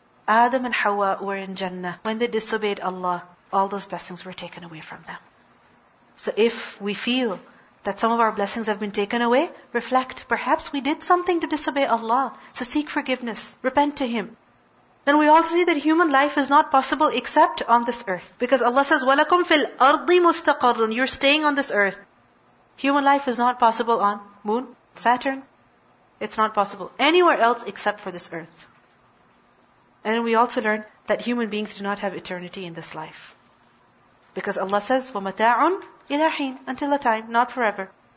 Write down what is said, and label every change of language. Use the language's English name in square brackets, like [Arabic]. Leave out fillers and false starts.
[English] Adam and Hawa were in Jannah. When they disobeyed Allah, all those blessings were taken away from them. So if we feel that some of our blessings have been taken away, reflect, perhaps we did something to disobey Allah. So seek forgiveness, repent to Him. Then we also see that human life is not possible except on this earth. Because Allah says, [Arabic] وَلَكُمْ فِي الْأَرْضِ مُسْتَقَرٌ. [English] You're staying on this earth. Human life is not possible on Moon, Saturn. It's not possible anywhere else except for this earth. And we also learn that human beings do not have eternity in this life. Because Allah says, [Arabic] وَمَتَاعٌ إِلَىٰ حِينٍ, [English] until a time, not forever.